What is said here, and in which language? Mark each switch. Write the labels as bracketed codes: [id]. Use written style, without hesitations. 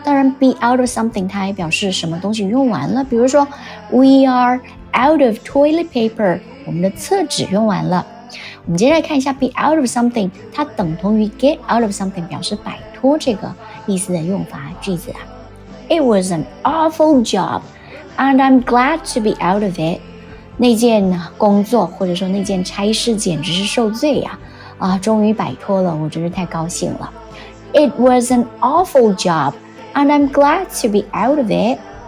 [zh] 当然 be out of something 它也表示什么东西用完了，比如说 [en] we are out of toilet paper， [zh] 我们的厕纸用完了。我们接下来看一下 be out of something， 它等同于 get out of something， 表示摆脱这个意思的用法句子啊。 [en] It was an awful job, and I'm glad to be out of it. [zh] 那件工作或者说那件差事简直是受罪呀、啊！终于摆脱了，我真是太高兴了。 [en] It was an awful job, and I'm glad to be out of it.